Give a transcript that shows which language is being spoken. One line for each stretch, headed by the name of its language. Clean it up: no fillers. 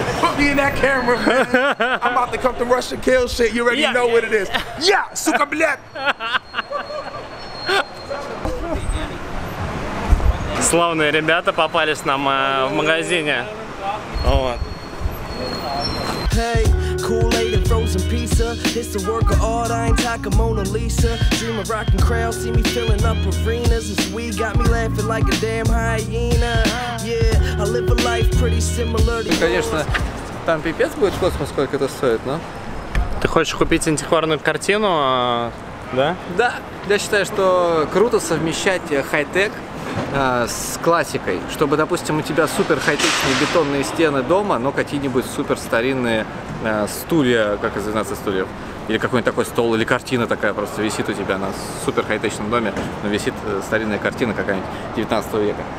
English: Put me in that camera, man. I'm about to come to Russia kill shit. You already know what it is.
Russian: Yeah, сука, блядь. Славные ребята попались нам в магазине. Вот.
English: Kool-Aid and frozen pizza. It's the work of art, I ain't talking Mona Lisa. Dream of rocking crowds, see me filling up arenas. This weed got me laughing like a damn hyena. Yeah, I live a life pretty similar to yours.
Russian: Конечно, там пипец будет в космос, сколько это стоит, но... Ты хочешь купить антикварную картину, да? Да, я считаю, что круто совмещать хай-тек с классикой, чтобы, допустим, у тебя супер хай-течные бетонные стены дома, но какие-нибудь супер старинные стулья, как из 12 стульев, или какой-нибудь такой стол, или картина такая просто висит у тебя на супер хай-течном доме, но висит старинная картина какая-нибудь 19 века.